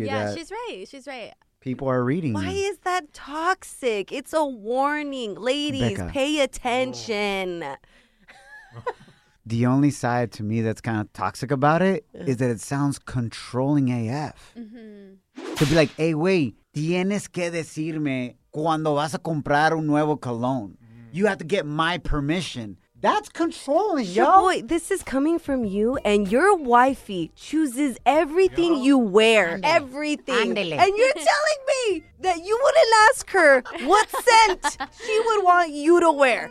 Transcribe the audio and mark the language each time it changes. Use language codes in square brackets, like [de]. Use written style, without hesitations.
[en] with that. Yeah, she's right. People are reading. Why is that toxic? It's a warning. Ladies, Becca, pay attention. The only side to me that's kind of toxic about it is that it sounds controlling AF. Mm-hmm. To be like, hey, wait, [es] tienes que decirme cuando vas a comprar un nuevo cologne. [en] You have to get my permission. That's controlling, yo. Boy, this is coming from you, and your wifey chooses everything yo. You wear. [es] Andele. [en] Everything. [es] Andele. [en] And you're telling me that you wouldn't ask her what scent she would want you to wear.